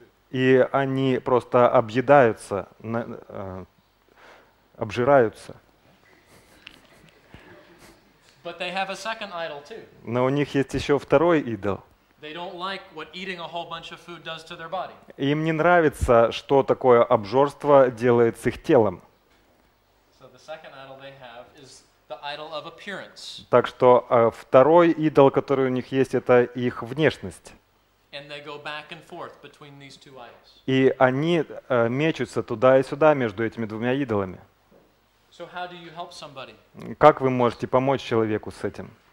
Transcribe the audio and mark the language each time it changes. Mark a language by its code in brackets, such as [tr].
[ru] И они просто объедаются, обжираются. [en] But they have a second idol too. [ru] Но у них есть еще второй идол. [en] They don't like what eating a whole bunch of food does to their body. [ru] Им не нравится, что такое обжорство делает с их телом. [en] So the second idol they have is the idol of appearance. [ru] Так что второй идол, который у них есть, это их внешность. [en] And they go back and forth between these two idols. [ru] И они мечутся туда и сюда между этими двумя идолами. [en] So how do you help somebody? [ru] Как вы можете помочь человеку с этим?